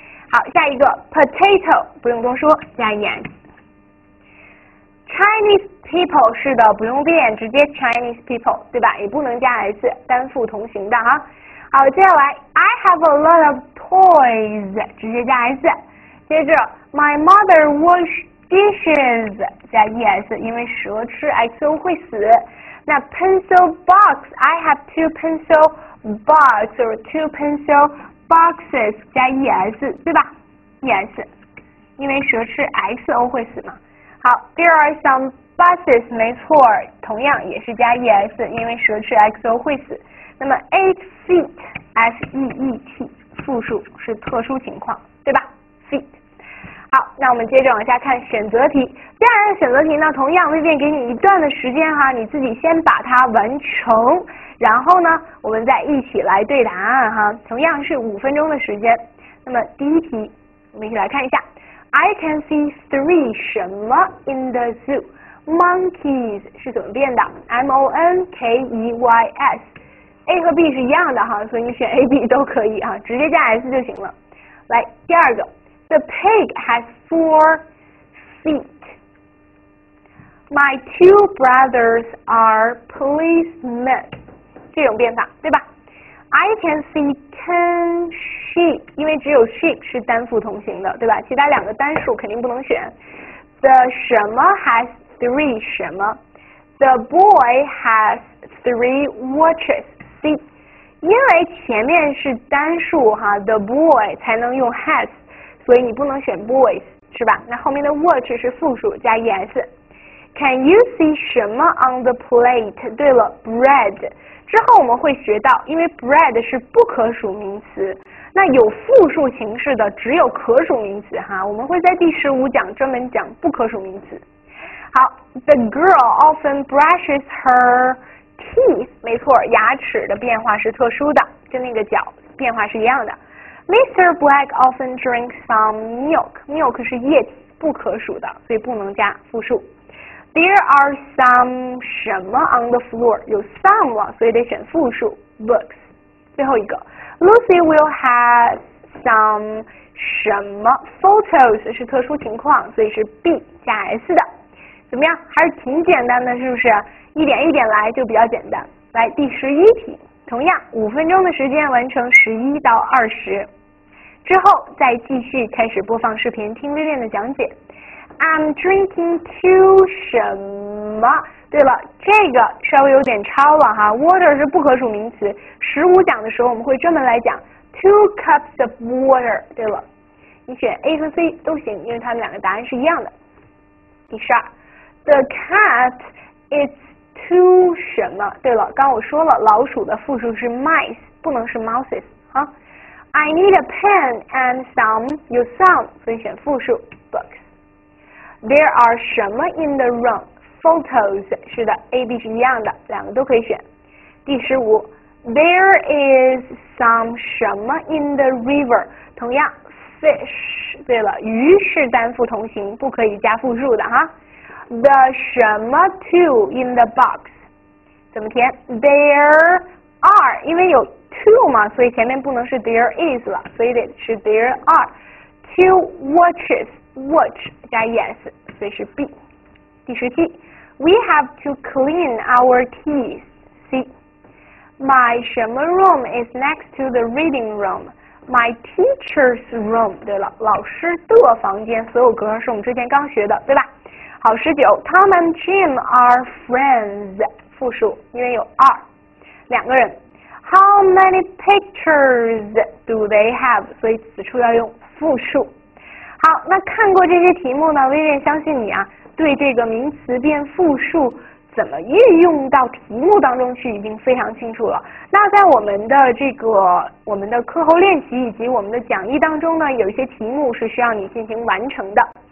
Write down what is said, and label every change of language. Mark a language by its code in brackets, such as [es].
[zh] 好，下一个 potato 不用多说，加 es。 [en] Chinese people [zh] 是的，不用变，直接 Chinese people 对吧？也不能加 s，单复同形的哈。好，接下来 [en] I have a lot of toys， [zh] 直接加 s。接着 [en] My mother wash dishes， [zh] 加 es，因为蛇吃 xo 会死。 [en] 那 pencil box I have two pencil box or two pencil。 [zh] boxes 加 es 对吧？es，因为蛇吃 xo 会死嘛。好， [en] there are some buses [zh] 没错，同样也是加 es，因为蛇吃 xo 会死。那么 8 feet feet 复数是特殊情况对吧？feet。好，那我们接着往下看选择题。第二个选择题呢，同样Vivian给你一段的时间哈，你自己先把它完成。然后呢，我们再一起来对答案哈。同样是5分钟的时间。那么第一题，我们一起来看一下。 [en] I can see three 什么 in the zoo? [zh] Monkeys 是怎么变的？monkeys。 A 和 B 是一样的哈，所以你选 A、B 都可以哈，直接加 s 就行了。来，第二个， [en] The pig has 4 feet. My two brothers are policemen. [zh] 这种变法对吧？ [en] I can see 10 sheep， [zh] 因为只有 sheep 是单复同形的，对吧？其他两个单数肯定不能选。 [en] The 什么 has 3 什么？The boy has 3 watches. [zh] See，因为前面是单数哈，the boy 才能用 has，所以你不能选 boys 是吧？那后面的 watch 是复数加 es。 [en] Can you see 什么 on the plate？ [zh] 对了， [en] bread。 [zh] 之后我们会学到，因为 bread 是不可数名词，那有复数形式的只有可数名词哈。我们会在第15讲专门讲不可数名词。好， [en] The girl often brushes her teeth。 [zh] 没错，牙齿的变化是特殊的，跟那个角变化是一样的。Mr. [en] Black often drinks some milk. [zh] Milk 是液体，不可数的，所以不能加复数。 [en] There are some 什么 on the floor? [zh] 有 some 了，所以得选复数 books. 最后一个 ， [en] Lucy will have some [zh] 什么 photos 是特殊情况，所以是 B 加 S 的。怎么样？还是挺简单的，是不是？一点一点来就比较简单。来，第十一题，同样五分钟的时间完成十一到二十，之后再继续开始播放视频听 Vivian 的讲解。 [en] I'm drinking two 什么？ [zh] 对了，这个稍微有点超了哈。Water 是不可数名词，十五讲的时候我们会专门来讲 [en] two cups of water。 [zh] 对了，你选 A 和 C 都行，因为它们两个答案是一样的。第十二。 [en] The cat is too 什么？ [zh] 对了，刚我说了，老鼠的复数是 mice， 不能是 mouses 啊。 [en] I need a pen and some [zh] 有 some， 所以选复数 books。 [en] There are 什么 in the room？ [zh] Photos 是的 ，A、B 是一样的，两个都可以选。第十五 [en] ，There is some 什么 in the river？ [zh] 同样 ，fish。对了，鱼是单复同形，不可以加复数的哈。 The 什么 two in the box 怎么填 ？There are， 因为有 two 嘛，所以前面不能是 there is 了，所以得是 [en] there are two watches， [zh] watch 加 es， 所以是 B。第十七 [en] ，We have to clean our teeth。 C， my 什么 room is next to the reading room。 My teacher's room。 [zh] 对了，老师的房间，所有格是我们之前刚学的，对吧？好，十九 ， [en] Tom and Jim are friends， [zh] 复数，因为有二，两个人。 [en] How many pictures do they have？ [zh] 所以此处要用复数。好，那看过这些题目呢，薇薇相信你啊，对这个名词变复数怎么运用到题目当中去已经非常清楚了。那在我们的这个我们的课后练习以及我们的讲义当中呢，有一些题目是需要你进行完成的。